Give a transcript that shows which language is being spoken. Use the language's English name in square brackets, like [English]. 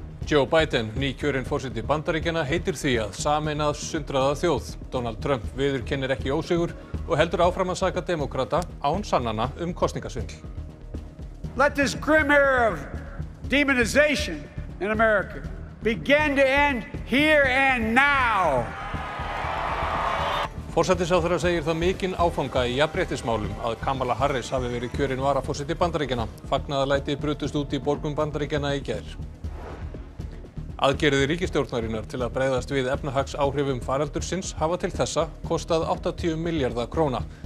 [Icelandic] Joe Biden, nýkjörinn forseti Bandaríkjanna, heitir því að sameina sundraða þjóð. Donald Trump viðurkennir ekki ósigur og heldur áfram að saka demókrata án sannana kosningasvindl. [English] Let this grim era of demonization in America begin to end here and now. [Icelandic] Forsætisráðherra segir það mikinn áfanga í jafnréttismálum að Kamala Harris hafi verið kjörinn varaforseti Bandaríkjanna. Fagnaðarlæti brutust út í borgum Bandaríkjanna í gær. Aðgerðir ríkisstjórnarinnar til að bregðast við efnahagsáhrifum faraldursins hafa til þessa kostað 80 milljarða króna.